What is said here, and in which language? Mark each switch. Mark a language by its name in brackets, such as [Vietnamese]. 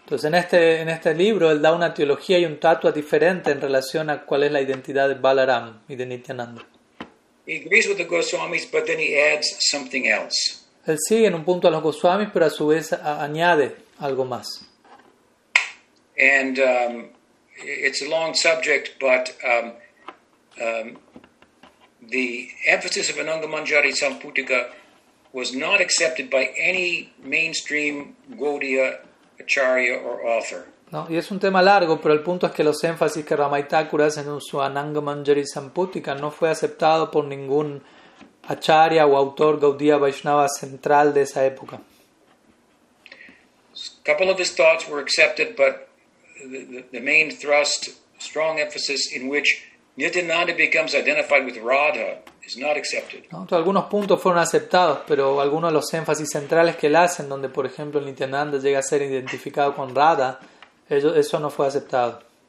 [Spanish] Entonces en este libro él da una teología y un tatua diferente en relación a cuál es la identidad de Balaram y de Nityananda. [English] He agrees with the Goswamis, but then he adds something else. [Spanish] Él sigue en un punto a los Goswamis, pero a su vez añade algo más. [English] And it's a long subject, but the emphasis of Ananga Manjari Samputika was not accepted by any mainstream Gaudiya acharya or author. [Spanish] No, y es un tema largo, pero el punto es que los énfasis que Ramai Thakur hace en su Ananga Manjari Samputika no fue aceptado por ningún acharya o autor Gaudiya Vaishnava central de esa época. [English] A couple of his thoughts were accepted, but the main thrust, strong emphasis in which Nityananda becomes identified with Radha is not accepted. [Spanish] No, algunos puntos fueron aceptados, pero algunos de los énfasis centrales que él hace, en donde, por ejemplo, Nityananda llega a ser identificado con Radha, eso no fue aceptado.